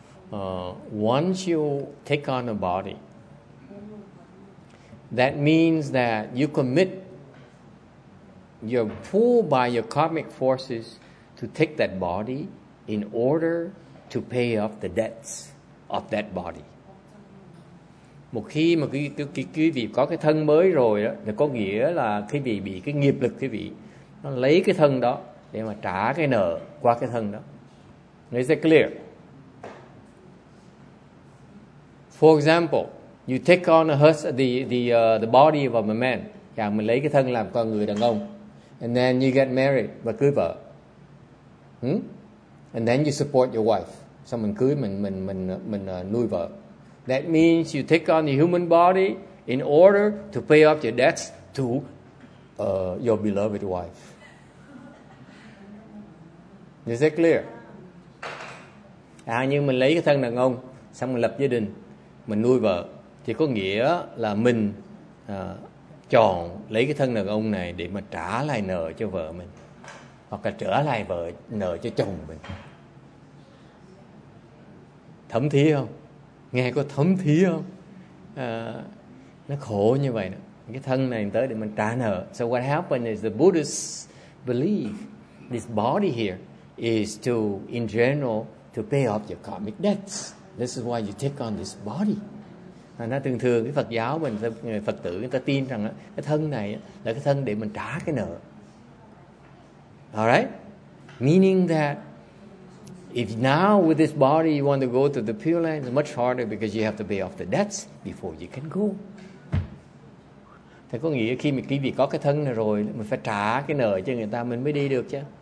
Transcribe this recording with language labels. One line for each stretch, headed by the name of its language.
English: Once you take on a body, that means that you commit your pull by your karmic forces to take that body in order to pay off the debts of that body.
Vietnamese: Một khi mà quý vị có cái thân mới rồi đó, thì có nghĩa là quý vị bị cái nghiệp lực quý vị nó lấy cái thân đó để mà trả cái nợ qua cái thân đó.
English: Is that clear? For example, you take on the body of a man.
Vietnamese: Yeah, mình lấy cái thân làm con người đàn ông.
English: And then you get married,
Vietnamese: và cưới vợ.
English: And then you support your wife.
Vietnamese: Xong mình cưới, mình nuôi vợ.
English: That means you take on the human body in order to pay off your debts to your beloved wife. Is that clear?
Vietnamese: À, nhưng mình lấy cái thân đàn ông, xong mình lập gia đình, mình nuôi vợ, thì có nghĩa là mình chọn lấy cái thân đàn ông này để mà trả lại nợ cho vợ mình, hoặc là trả lại vợ nợ cho chồng mình. Thấm thía không? Nghe có thấm thía không? Nó khổ như vậy đó. Cái thân này tới để mình trả nợ.
English: So what happened is the Buddhists believe this body here is to, in general, to pay off your karmic debts. This is why you take on this body.
Vietnamese: Nó thường thường cái Phật giáo mình, người Phật tử người ta tin rằng cái thân này là cái thân để mình trả cái nợ.
English: Alright? Meaning that if now with this body you want to go to the Pure Land, it's much harder because you have to pay off the debts before you can go.
Vietnamese: Thế có nghĩa khi mình quý vị có cái thân này rồi, mình phải trả cái nợ cho người ta mình mới đi được chứ.